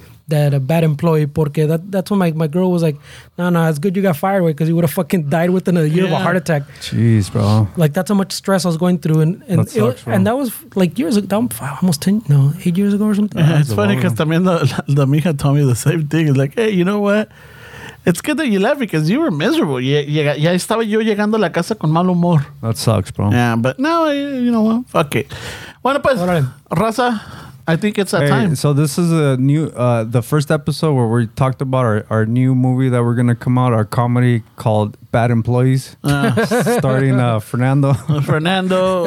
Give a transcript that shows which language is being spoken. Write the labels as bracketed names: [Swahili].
[English] that a bad employee, [Spanish] porque [English] that's when my girl was like, no, it's good you got fired, because you would have fucking died within a year of a heart attack. Jeez, bro. Like, that's how much stress I was going through. And that sucks, bro. And that was like years ago, almost 8 years ago or something. Yeah, it's funny because [Spanish] también la mija [English] told me the same thing. It's like, hey, you know what? It's good that you left because you were miserable. [Spanish] Ya estaba yo llegando a la casa con mal humor. [English] That sucks, bro. Yeah, but no, you know what? Fuck it. [Spanish] Bueno, pues, [English] Raza, I think it's that time. So this is the first episode where we talked about our new movie that we're going to come out, our comedy called Bad Employees, starring Fernando. Fernando.